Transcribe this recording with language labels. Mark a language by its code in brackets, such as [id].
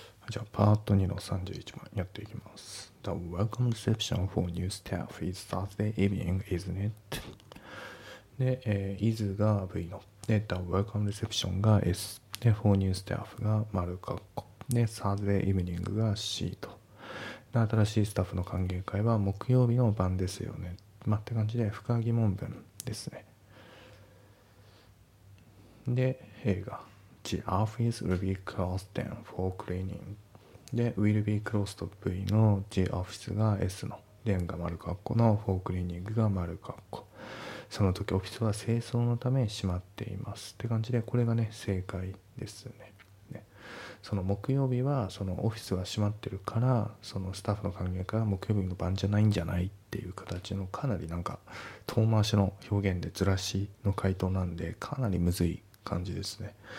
[ja] じゃあパート2の31番やっていきます。 [en] The welcome reception for new staff is Thursday evening, isn't it? [ja] で、is が V の。で、 [en] The welcome reception [ja] が S。で、 [en] for new staff [ja] が丸括弧。 で、 [en] Thursday evening [ja] が C と。で、新しいスタッフの歓迎会は木曜日の晩ですよね。まあ、って感じで、深疑問文ですね。で、A が。 [en] The office will be closed then for cleaning. で、will be closed V の The office が S の。 [ja] then が丸括弧の for cleaning が丸括弧。その時オフィスは清掃のため閉まっています。って感じで、これがね、正解ですね。ね。その木曜日は、そのオフィスが閉まってるから、そのスタッフの歓迎会は木曜日の晩じゃないんじゃないっていう形の、かなりなんか、遠回しの表現でずらしの回答なんで、かなりむずい感じですね。